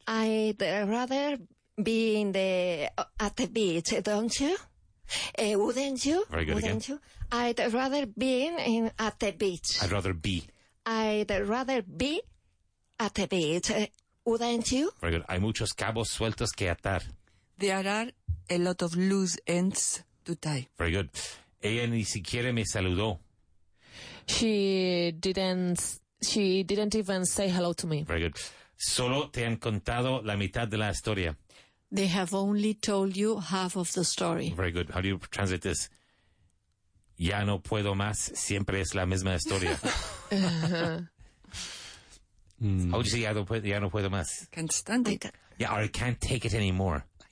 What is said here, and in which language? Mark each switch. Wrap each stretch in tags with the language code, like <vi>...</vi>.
<en>I'd rather be in the at the beach, don't you? Wouldn't you? Very good wouldn't again. You? I'd rather be in at the beach. I'd rather be. I'd rather be at the beach, wouldn't you? Very good.</en> <es>Hay muchos cabos sueltos que atar.</es> <en>There are a lot of loose ends to tie. Very good.</en> <es>Ella ni siquiera me saludó.</es> <en>She didn't even say hello to me. Very good.</en> <es>solo te han contado la mitad de la historia.</es> <en>They have only told you half of the story. Very good. How do you translate this?</en> <es>Ya no puedo más. Siempre es la misma historia.</es> <en>How would you say</en> <es>ya no puedo más?</es> <en>Can't stand it. Yeah, or I can't take it anymore.</en>